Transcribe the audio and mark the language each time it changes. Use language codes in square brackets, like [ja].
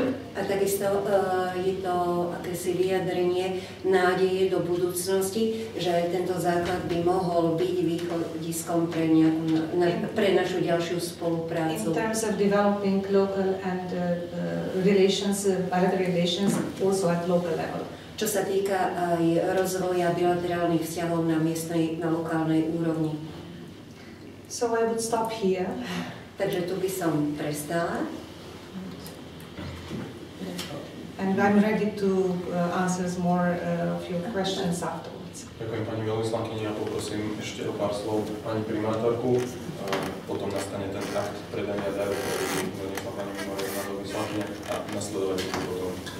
[sk] a takisto je to akési vyjadrenie nádeje do budúcnosti, že tento základ by mohol byť východiskom pre nejakú, pre našu ďalšiu spoluprácu. [en] In terms of developing local and relations, bilateral relations also at local level. [sk] Čo sa týka aj rozvoja bilaterálnych vzťahov na miestnej, na lokálnej úrovni. [en] So I would stop here. [sk] Takže tu by som prestala. [en] And I'm ready to answer more of your questions afterwards. [sk] Ďakujem pani veľvyslankyni a poprosím ešte o pár slov pani primátorku. Potom nastane ten akt predania daru, ktorý by donesla pani primátorka veľvyslankyňa a nasledovať to potom.